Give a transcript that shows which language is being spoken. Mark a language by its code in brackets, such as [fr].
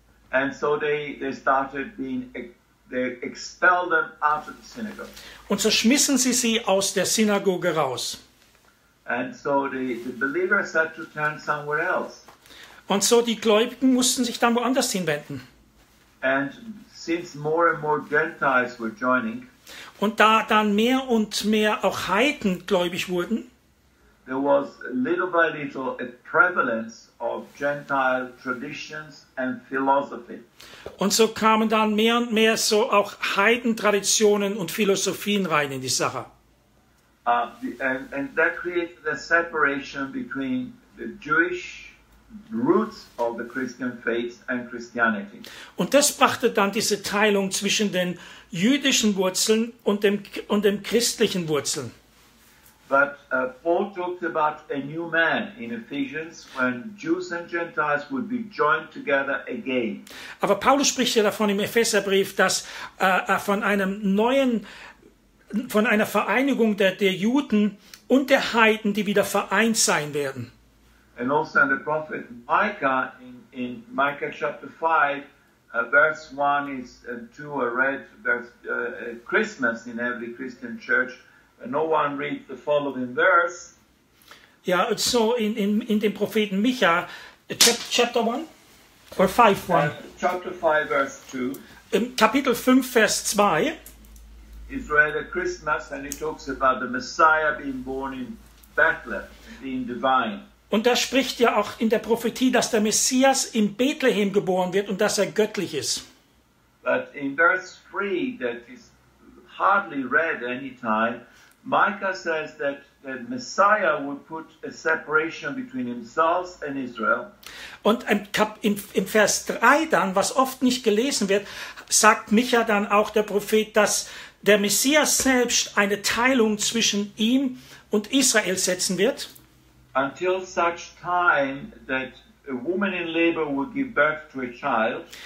[en] And so they started being, they expelled them out of the synagogue. [de] Und so schmissen sie aus der Synagoge raus. [en] And so the believers had to turn somewhere else. [de] Und so die Gläubigen mussten sich dann woanders hinwenden. [en] And since more and more Gentiles were joining, [de] und da dann mehr und mehr auch Heiden gläubig wurden, [en] there was little by little a prevalence of Gentile traditions and philosophy. [de] Und so kamen dann mehr und mehr so auch Heidentraditionen und Philosophien rein in die Sache. [en] And that created a separation between the Jewish roots of the Christian faith and Christianity. [de] Und das brachte dann diese Teilung zwischen den jüdischen Wurzeln und dem christlichen Wurzeln. [en] But Paul talks about a new man in Ephesians when Jews and Gentiles would be joined together again. [de] Aber Paulus spricht ja davon im Epheserbrief, dass von einem neuen, von einer Vereinigung der Juden und der Heiden, die wieder vereint sein werden. [en] And also in the prophet Micah, in Micah chapter 5, verse 1 is 2 are read, there's Christmas in every Christian church. No one reads the following verse. [de] Ja, [en] yeah, [de] so in dem Propheten Micha, [en] chapter 1 or 5 1. Chapter 5 verse 2. [de] Im Kapitel 5 Vers 2. [en] It's read at Christmas and it talks about the Messiah being born in Bethlehem, being divine. [de] Und da spricht ja auch in der Prophetie, dass der Messias in Bethlehem geboren wird und dass göttlich ist. [en] But in verse 3, that is hardly read any time, Micah says that the Messiah would put a separation between himself and Israel. [de] Und im Vers 3 dann, was oft nicht gelesen wird, sagt Micha dann auch der Prophet, dass der Messias selbst eine Teilung zwischen ihm und Israel setzen wird. [en] Until such time that a woman in labor would give birth to a child.